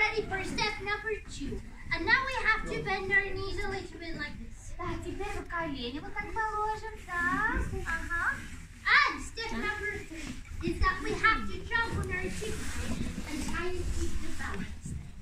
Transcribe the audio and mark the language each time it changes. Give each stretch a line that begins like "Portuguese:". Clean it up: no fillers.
English: And now we have to bend our knees a little bit like this.
Russian: Так, теперь мы колени вот так положим, так. Ага.
English: And step number 3 is that we have to jump on our tiptoes and try to keep the balance.